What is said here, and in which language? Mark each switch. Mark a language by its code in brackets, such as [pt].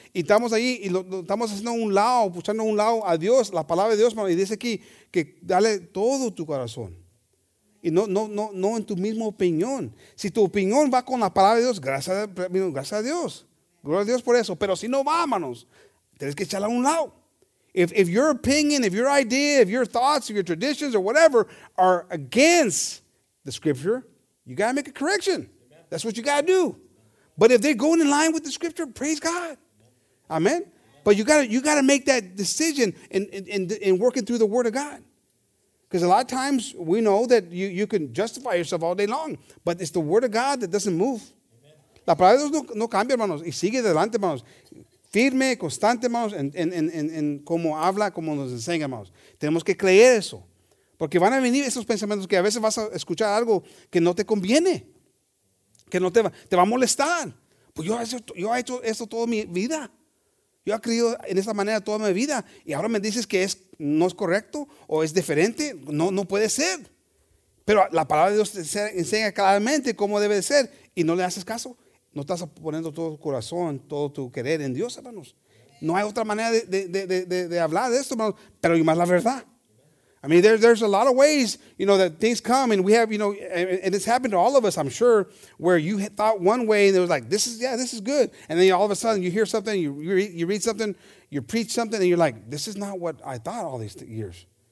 [es] Y estamos ahí y estamos haciendo un lado, escuchando un lado a Dios, la palabra de Dios, hermanos. Y dice aquí que dale todo tu corazón. Y no en tu misma opinión. Si tu opinión va con la palabra de Dios, gracias a Dios. Gloria a Dios por eso. Pero si no va, hermanos, tienes que echarla a un lado. [en] If your opinion, if your idea, if your thoughts, if your traditions or whatever are against the scripture, you got to make a correction. Amen. That's what you got to do. But if they're going in line with the scripture, praise God. Amen. Amen. But you got to make that decision in working through the word of God. Because a lot of times we know that you can justify yourself all day long, but it's the word of God that doesn't move. [es] La palabra de Dios no cambia, hermanos, y sigue adelante, hermanos. Firme, constante, hermanos, en cómo habla, cómo nos enseña, hermanos. Tenemos que creer eso. Porque van a venir esos pensamientos que a veces vas a escuchar algo que no te conviene. Que no te va a molestar. Pues yo he hecho esto toda mi vida. Yo he creído en esta manera toda mi vida. Y ahora me dices que no es correcto o es diferente. No puede ser. Pero la palabra de Dios te enseña claramente cómo debe de ser. Y no le haces caso. No estás poniendo todo tu corazón, todo tu querer en Dios, hermanos. No hay otra manera de hablar de esto, hermanos, pero más la verdad. [en] I mean, there's a lot of ways, you know, that things come, and we have, you know, and it's happened to all of us, I'm sure, where you thought one way, and it was like, this is good. And then all of a sudden, you hear something, you read something, you preach something, and you're like, this is not what I thought all these years.